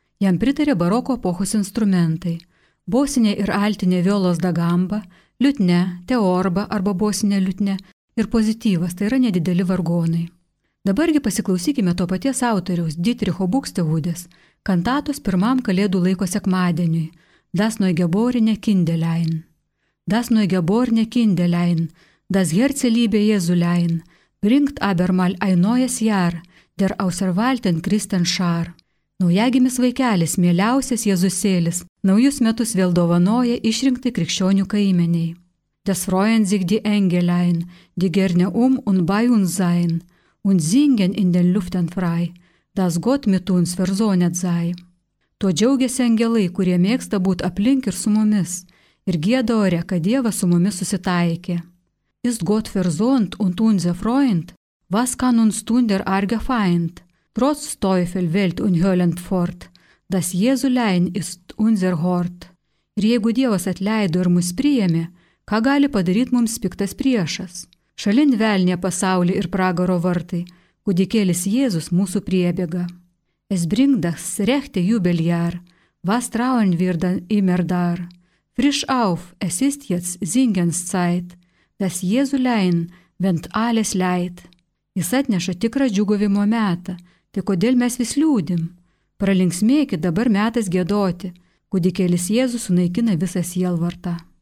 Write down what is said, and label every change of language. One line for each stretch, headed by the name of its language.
Lithuanian: Jam pritarė baroko epochos instrumentai – bosinė ir altinė violos da gamba, liutne, teorba arba bosinė liutne ir pozityvas, tai yra nedideli vargonai. Dabargi pasiklausykime to paties autoriaus Dietricho Buxtehudės kantatos pirmam kalėdų laiko sekmadieniui – Das Neugeborene Kindelein.
German: Das Neugeborene Kindelein, das Herzeliebe Jesulein, bringt aber mal ein neues Jahr, der auserwählten Christen Schar.
Lithuanian: Naujagimis vaikelis, mieliausias Jėzusėlis, naujus metus vėl dovanoja išrinkti krikščionių kaimeniai.
German: Das freuen sich die Engelein, die gerne und bei uns sein, und singen in den Luften frei, das Gott mit uns versonet sei.
Lithuanian: Tuo džiaugiasi angelai, kurie mėgsta būti aplink ir su mumis. Ir gėda ore, kad Dievas su mumis susitaikė.
German: Ist Gott versohnt und unser Freund, Was kann uns tun der arge Feind? Trotz Teufel, Welt und Höllenpfort, das Jesulein ist unser Hort.
Lithuanian: Ir jeigu Dievas atleido ir mus priėmė, ką gali padaryti mums piktas priešas? Šalin velnė pasaulį ir pragaro vartai, kudikėlis Jėzus mūsų priebėga.
German: Es bring das rechte Jubeljahr, was trauen wir dann immer dar? Frisch auf, es ist jetzt Singenszeit, das Jesulein wendt alles leid.
Lithuanian: Jis atneša tikrą džiugovimo metą, tai kodėl mes vis liūdim? Pralinksmėki dabar metas gėdoti, kudikėlis Jėzus sunaikina visą sielvartą.